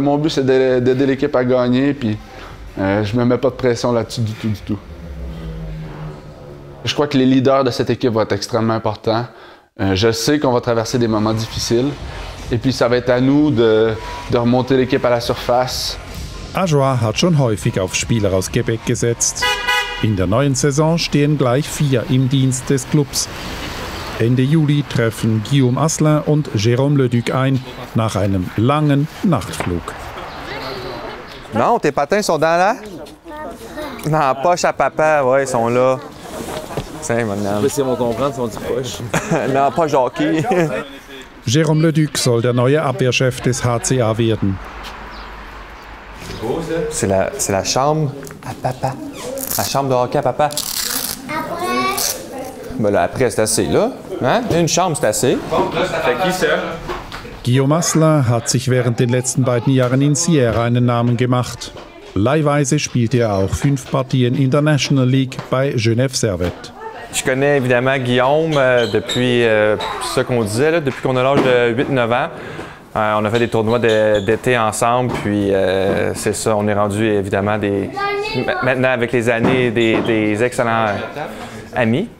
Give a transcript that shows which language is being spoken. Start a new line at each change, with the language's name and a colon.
French: Mon but, c'est d'aider l'équipe à gagner. Puis je me mets pas de pression là-dessus du tout. Je crois que les leaders de cette équipe vont être extrêmement importants. Je sais qu'on va traverser des moments difficiles. Et puis ça va être à nous de remonter l'équipe à la surface.
German: Ajoa hat schon häufig auf Spieler aus Québec gesetzt. In der neuen Saison stehen gleich 4 im Dienst des Clubs. Ende Juli treffen Guillaume Asselin und Jérôme Leduc ein nach einem langen Nachtflug.
French: Non, tes patins sont dans la? Dans la poche à papa, ouais, ils sont là. Tiens, mon âme. Je vais essayer de comprendre, ils sont dans la poche. Dans la poche hockey.
German: Jérôme Leduc soll der neue Abwehrchef des HCA werden.
French: C'est la chambre à papa. La chambre de hockey à papa. Après. Ben là, après, c'est assez, là. Hein? Une chambre, c'est assez. Fait qui, ça?
German: Guillaume Asselin hat sich während den letzten beiden Jahren in Sierra einen Namen gemacht. Leihweise spielte er auch 5 Partien in der National League bei Genève Servette.
French: Je connais évidemment Guillaume depuis ce qu'on disait, là, depuis qu'on a l'âge de 8-9 ans. On a fait des tournois d'été ensemble, puis c'est ça, on est rendu évidemment maintenant avec les années des excellents amis.